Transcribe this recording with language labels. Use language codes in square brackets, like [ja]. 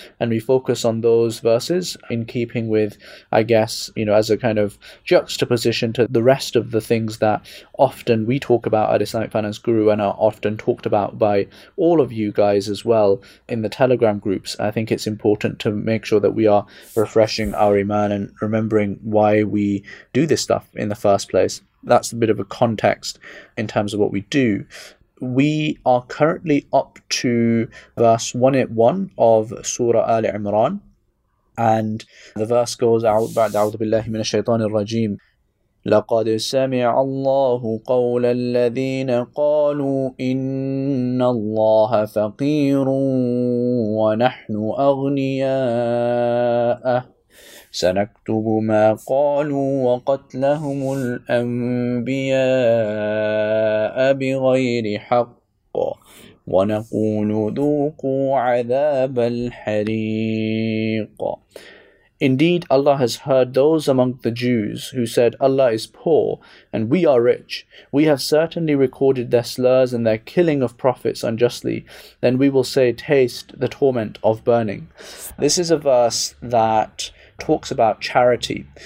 [en] And we focus on those verses in keeping with, I guess, you know, as a kind of juxtaposition to the rest of the things that often we talk about at Islamic Finance Guru and are often talked about by all of you guys as well in the Telegram groups. I think it's important to make sure that we are refreshing our iman and remembering why we do this stuff in the first place. That's a bit of a context in terms of what we do. We are currently up to verse 181 of Surah Ali Imran, and the verse goes, [ar] أعوذ بالله من الشيطان الرجيم لقد سمع الله قول الذين قالوا إن الله فقير ونحن أغنياء سَنَكْتُبُ مَا قَالُوا وَقَتْلَهُمُ الْأَنْبِيَاءَ بِغَيْرِ حَقٍّ وَنَقُولُ ذُوقُوا عَذَابَ الْحَرِيقِ. [en] Indeed, Allah has heard those among the Jews who said, Allah is poor and we are rich. We have certainly recorded their slurs and their killing of prophets unjustly. Then we will say, taste the torment of burning. This is a verse that talks about charity.